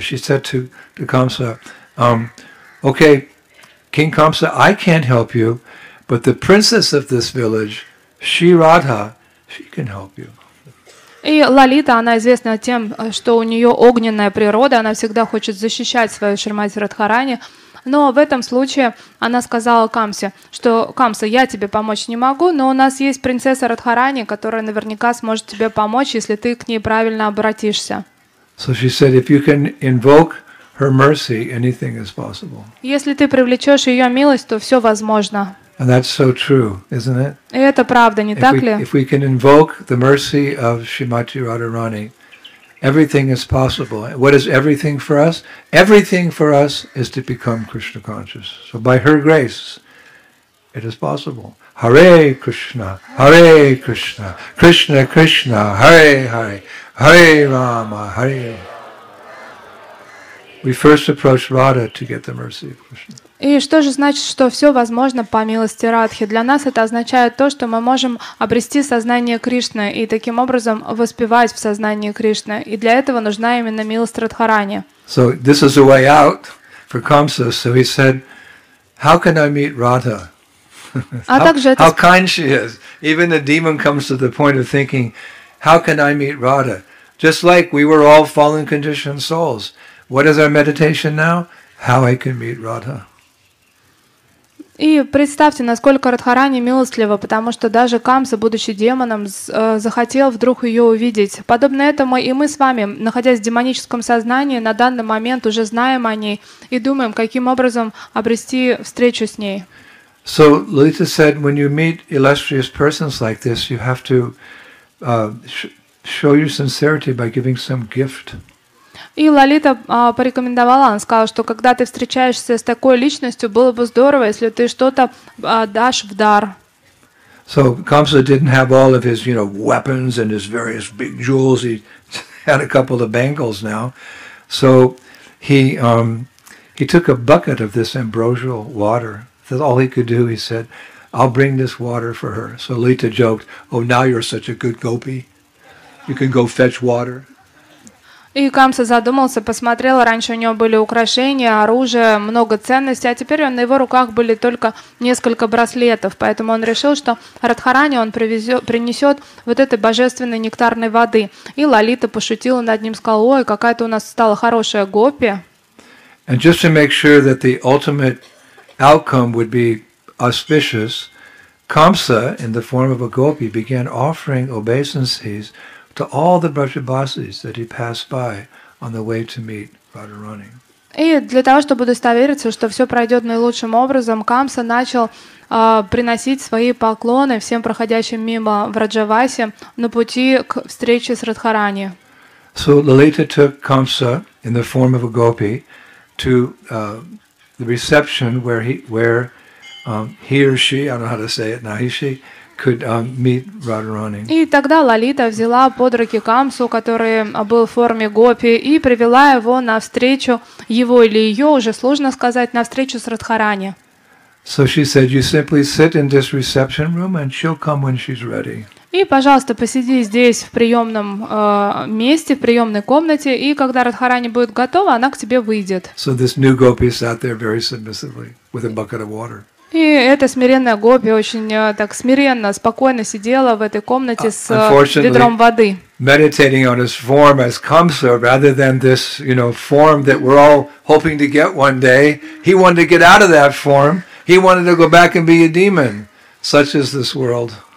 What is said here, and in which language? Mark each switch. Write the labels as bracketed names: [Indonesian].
[English] She said to Kamsa, okay, King Kamsa, I can't help you, but the princess of this village, Shri Radha, she can help you. [Russian] И Лалита, она известна тем, что у нее огненная природа, она всегда хочет защищать свою Шримати Радхарани. Но в этом случае она сказала Камсе, что Камса, я тебе помочь не могу, но у нас есть принцесса Радхарани, которая наверняка сможет тебе помочь, если ты к ней правильно обратишься. [English] So she said, if you can invoke her mercy, anything is possible. [Russian] Если ты привлечешь ее милость, то все возможно. [English] And that's so true, isn't it? [Russian] И это правда, не так ли? [English] If we can invoke the mercy of Srimati Radharani, everything is possible. What is everything for us? Everything for us is to become Krishna conscious. So by her grace, it is possible. Hare Krishna, Hare Krishna, Krishna Krishna, Hare Hare, Hare Rama, Hare. We first approach Radha to get the mercy of Krishna. [Russian] И что же значит, что все возможно по милости Радхи? Для нас это означает то, что мы можем обрести сознание Кришны и таким образом воспевать в сознании Кришны. И для этого нужна именно милость Радхарани. [English] So this is a way out for Kamsa. So he said, how can I meet Radha? how kind she is. Even the demon comes to the point of thinking, how can I meet Radha? Just like we were all fallen conditioned souls. What is our meditation now? How I can meet Radha. [Russian] И представьте, насколько Радхарани милостлива, потому что даже Камса, будучи демоном, захотел вдруг ее увидеть. Подобно этому и мы с вами, находясь в демоническом сознании, на данный момент уже знаем о ней и думаем, каким образом обрести встречу с ней. [English] So Lalita said, when you meet illustrious persons like this, you have to show your sincerity by giving some gift. [Russian] И Лалита порекомендовала, она сказала, что когда ты встречаешься с такой личностью, было бы здорово, если ты что-то дашь в дар. [English] So Kamsa didn't have all of his, you know, weapons and his various big jewels. He had a couple of bangles now. So he took a bucket of this ambrosial water. That's all he could do. He said, I'll bring this water for her. So Lalita joked, oh, now you're such a good gopi. You can go fetch water. [Russian] И Камса задумался, посмотрел, раньше у него были украшения, оружие, много ценностей, а теперь на его руках были только несколько браслетов, поэтому он решил, что Радхарани он принесет вот этой божественной нектарной воды. И Лалита пошутила над ним, сказала, ой, какая-то у нас стала хорошая гопи. [English] And just to make sure that the ultimate outcome would be auspicious, Kamsa, in the form of a gopi, began offering obeisances to all the brajabasis that he passed by on the way to meet Radharani. [Russian] И для того, чтобы удостовериться, что все пройдет наилучшим образом, Камса начал приносить свои поклоны всем проходящим мимо в Раджавасе на пути к встрече с Радхарани. [English] So Lalita took Kamsa in the form of a gopi to the reception where he or she could meet Radharani. [Russian] И тогда Лалита взяла под руки Камсу, который был в форме гопи, и привела его на встречу его или ее, уже сложно сказать, на встречу с Радхарани. [English] So she said, you simply sit in this reception room and she'll come when she's ready. [Russian] И, пожалуйста, посиди здесь в приемном месте, в приемной комнате, и когда Радхарани будет готова, она к тебе выйдет. [English] So this new gopi sat there very submissively with a bucket of water. [Russian] И эта смиренная гопи очень так смиренно, спокойно сидела в этой комнате с ведром воды. [English] Meditating on his form as Kamsa, rather than this, you know, form that we're all hoping to get one day. He wanted to get out of that form. He wanted to go back and be a demon, such is this world.